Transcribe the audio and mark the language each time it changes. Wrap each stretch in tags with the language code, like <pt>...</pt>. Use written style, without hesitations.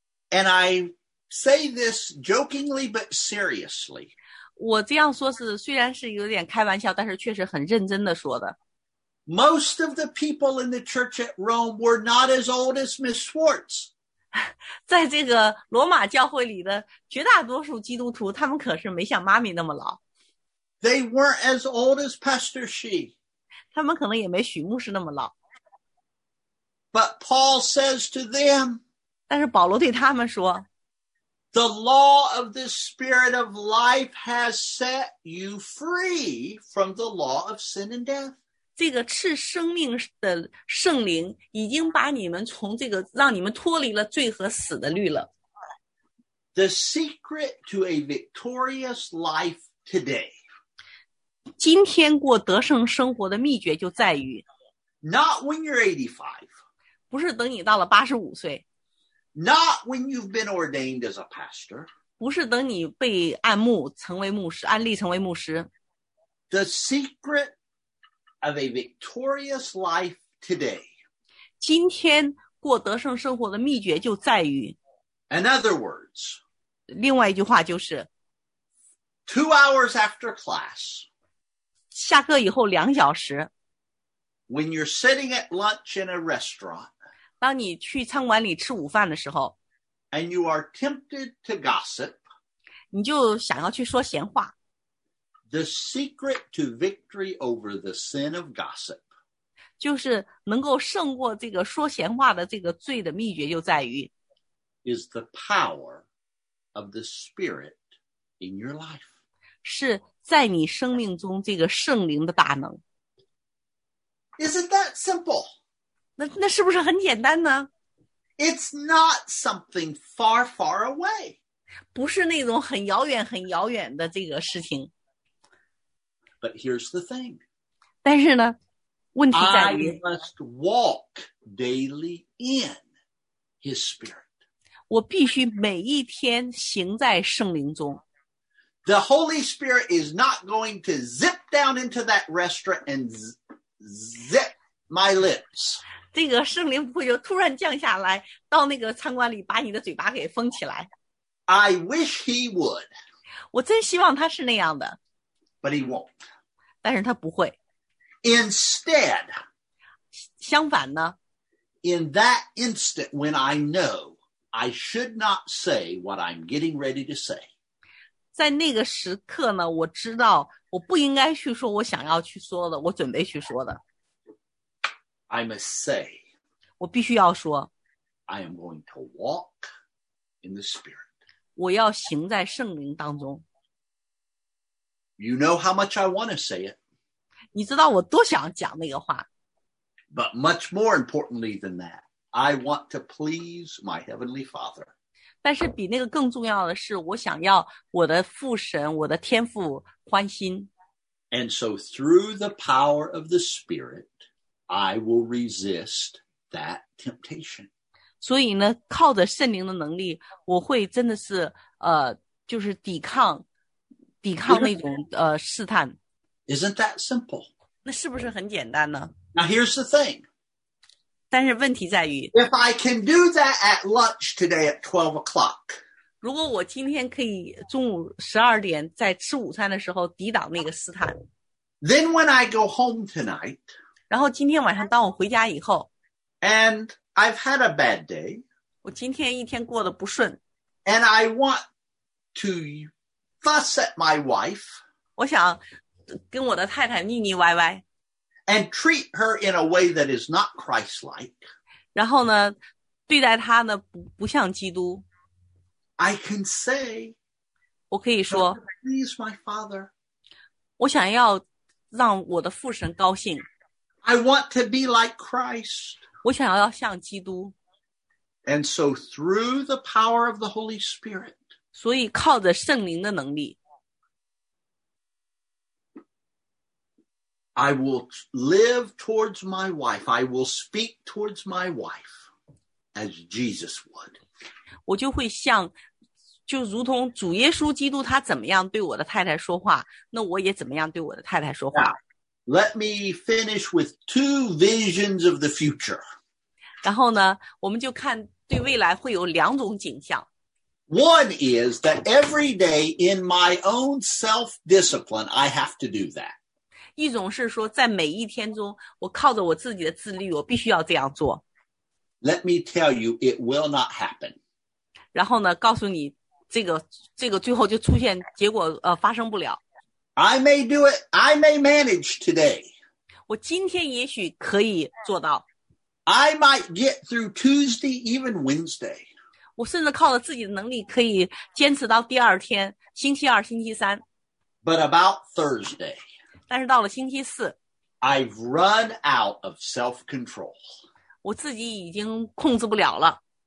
<en>and I say this jokingly but seriously.</en> <zh>我这样说是虽然是有点开玩笑，但是确实很认真的说的。</zh> <en>Most of the people in the church at Rome were not as old as Miss Swartz.</en> <zh>在这个罗马教会里的绝大多数基督徒，他们可是没像妈咪那么老。</zh> <en>They weren't as old as Pastor Shee.</en> <zh>他们可能也没许牧师那么老。</zh> <en>But Paul says to them,</en> <zh>但是保罗对他们说，</zh> <en>The law of the spirit of life has set you free from the law of sin and death.</en> <zh>这个赐生命的圣灵已经把你们从这个让你们脱离了罪和死的律了。</zh> <en>The secret to a victorious life today.</en> <zh>今天过得胜生活的秘诀就在于</zh> <en>Not when you're 85.</en> <zh>不是等你到了85岁。</zh> <en>Not when you've been ordained as a pastor.</en> <zh>不是等你被按牧成为牧师，按立成为牧师。</zh> <en>The secret. Of a victorious life today.</en> <zh>今天过得胜生活的秘诀就在于</zh> <en>In other words,</en> <zh>另外一句话就是</zh> <en>2 hours after class,</en> <zh>下课以后两小时</zh> <en>When you're sitting at lunch in a restaurant,</en> <zh>当你去餐馆里吃午饭的时候</zh> <en>And you are tempted to gossip,</en> <zh>你就想要去说闲话</zh> <en>The secret to victory over the sin of gossip.</en> <zh>就是能够胜过这个说闲话的这个罪的秘诀就在于</zh> <en>is the power of the spirit in your life.</en> <zh>是在你生命中这个圣灵的大能。</zh> <en>Isn't that simple?</en> <zh>那是不是很简单呢？</zh> <en>It's not something far, far away.</en> <zh>不是那种很遥远很遥远的这个事情。</zh> <en>But here's the thing.</en> <zh>但是呢，问题在于</zh> <en>I must walk daily in His Spirit.</en> <zh>我必须每一天行在圣灵中。</zh> <en>The Holy Spirit is not going to zip down into that restaurant and zip my lips.</en> <zh>这个圣灵不会就突然降下来，到那个餐馆里把你的嘴巴给封起来。</zh> <en>I wish He would.</en> <zh>我真希望他是那样的。</zh> <en>But he won't.</en> <zh>但是他不会。</zh> <en>Instead,</en> <zh>相反呢？</zh> <en>In that instant when I know I should not say what I'm getting ready to say.</en> <zh>在那个时刻呢，我知道我不应该去说我想要去说的，我准备去说的。</zh> <en>I must say.</en> <zh>我必须要说。</zh> <en>I am going to walk in the Spirit.</en> <zh>我要行在圣灵当中。</zh> <en>You know how much I want to say it.</en> <zh>你知道我多想讲那个话。</zh> <en>But much more importantly than that, I want to please my Heavenly Father.</en> <zh>但是比那个更重要的是，我想要我的父神，我的天父欢心。</zh> <en>And so through the power of the Spirit, I will resist that temptation.</en> <zh>所以呢，靠着圣灵的能力，我会真的是就是抵抗。抵抗那种试探。</zh> <en>Isn't that simple?</en> <zh>那是不是很简单呢？</zh> <en>Now here's the thing.</en> <zh>但是问题在于</zh> <en>If I can do that at lunch today at 12 o'clock.</en> <zh>如果我今天可以中午12点在吃午餐的时候抵挡那个试探。</zh> <en>Then when I go home tonight.</en> <zh>然后今天晚上当我回家以后。</zh> <en>And I've had a bad day.</en> <zh>我今天一天过得不顺。</zh> <en>And I want to...Fuss at my wife.</en> <zh>我想跟我的太太腻腻歪歪。</zh> <en>And treat her in a way that is not Christ-like.</en> <zh>然后呢，对待她呢，不像基督。</zh> <en>I can say,</en> <zh>我可以说</zh> <en>please my father.</en> <zh>我想要让我的父神高兴。</zh> <en>I want to be like Christ.</en> <zh>我想要像基督。</zh> <en>And so through the power of the Holy Spirit,</en> <zh>所以靠着圣灵的能力。</zh> <en>I will live towards my wife. I will speak towards my wife as Jesus would.</en> <zh>我就会像，就如同主耶稣基督他怎么样对我的太太说话，那我也怎么样对我的太太说话。</zh> <en>Let me finish with two visions of the future.</en> <zh>然后呢，我们就看对未来会有两种景象。</zh> <en>One is that every day in my own self-discipline, I have to do that.</en> <zh>一种是说在每一天中我靠着我自己的自律我必须要这样做。</zh> <en>Let me tell you, it will not happen.</en> <zh>然后呢告诉你这个最后就出现结果发生不了。</zh> <en>I may do it, I may manage today.</en> <zh>我今天也许可以做到。</zh> <en>I might get through Tuesday, even Wednesday.</en> <zh>我甚至靠着自己的能力可以坚持到第二天星期二星期三。</zh> <en>But about Thursday.</en> <zh>但是到了星期四</zh> <en>I've run out of self-control.</en> <zh>我自己已经控制不了了。</zh>